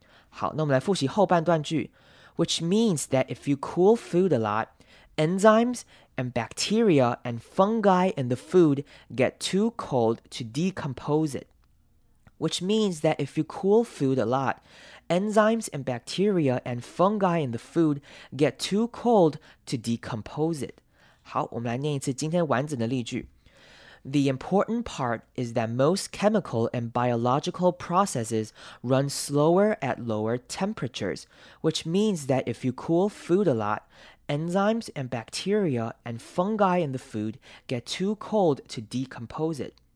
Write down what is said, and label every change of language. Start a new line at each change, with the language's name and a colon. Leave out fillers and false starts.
Chinese: 好，那我们来复习后半段句。
English: Which means that if you cool food a lot, enzymes and bacteria and fungi in the food get too cold to decompose it. Which means that if you cool food a lot, enzymes and bacteria and fungi in the food get too cold to decompose it.
Chinese: 好，我们来念一次今天完整的例句。
English: The important part is that most chemical and biological processes run slower at lower temperatures, which means that if you cool food a lot, enzymes and bacteria and fungi in the food get too cold to decompose it.